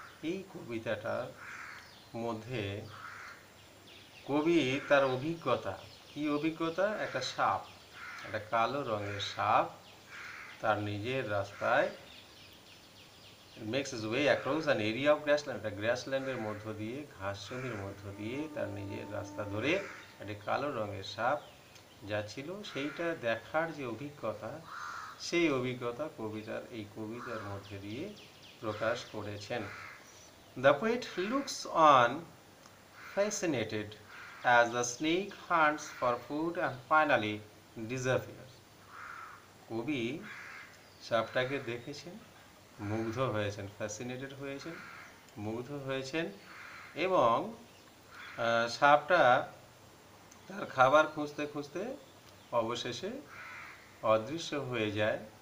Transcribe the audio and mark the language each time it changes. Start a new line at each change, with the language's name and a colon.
Bangla: এই কবিতাটার মধ্যে কবি তার অভিজ্ঞতা, কি অভিজ্ঞতা, একটা সাপ, একটা কালো রঙের সাপ তার নিজের রাস্তায়
English: makes its way across an area of grassland,
Bangla: একটা গ্রাসল্যান্ডের মধ্য দিয়ে, ঘাস জমির মধ্য দিয়ে তার নিজের রাস্তা ধরে একটা কালো রঙের সাপ যাচ্ছিল, সেইটা দেখার যে অভিজ্ঞতা, সেই অভিজ্ঞতা কবিতার এই কবিতার মধ্যে দিয়ে প্রকাশ করেছেন।
English: The poet looks on fascinated as the snake hunts for food and finally disappears.
Bangla: কবি সাপটাকে দেখেছেন, মুগ্ধ হয়েছেন, ফ্যাসিনেটেড হয়েছেন, মুগ্ধ হয়েছেন, এবং সাপটা তার খাবার খুঁজতে খুঁজতে অবশেষে অদৃশ্য হয়ে যায়।